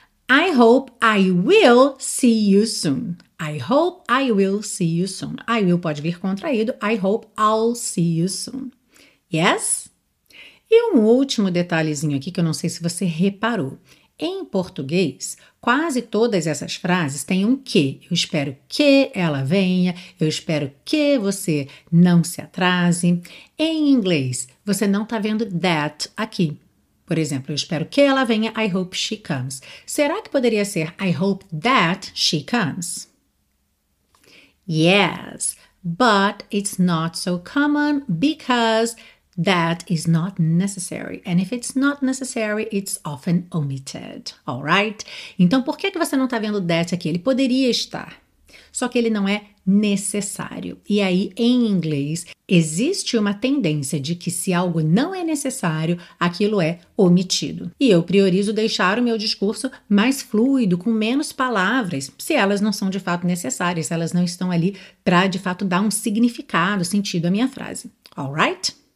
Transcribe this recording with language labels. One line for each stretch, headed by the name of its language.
English: I hope I will see you soon. I hope I will see you soon. I will
Portuguese: pode vir contraído.
English: I hope I'll see you soon. Yes?
Portuguese: E um último detalhezinho aqui que eu não sei se você reparou. Em português, quase todas essas frases têm um que. Eu espero que ela venha, eu espero que você não se atrase. Em inglês, você não está vendo that aqui. Por exemplo, eu espero que ela venha,
English: I hope she comes.
Portuguese: Será que poderia ser
English: I hope that she comes? Yes, but it's not so common because that is not necessary. And if it's not necessary, it's often omitted. All right?
Portuguese: Então, por que que você não está vendo that aqui? Ele poderia estar. Só que ele não é necessário. E aí, em inglês, existe uma tendência de que se algo não é necessário, aquilo é omitido. E eu priorizo deixar o meu discurso mais fluido, com menos palavras, se elas não são de fato necessárias, se elas não estão ali para de fato dar um significado, sentido à minha frase.
English: All right?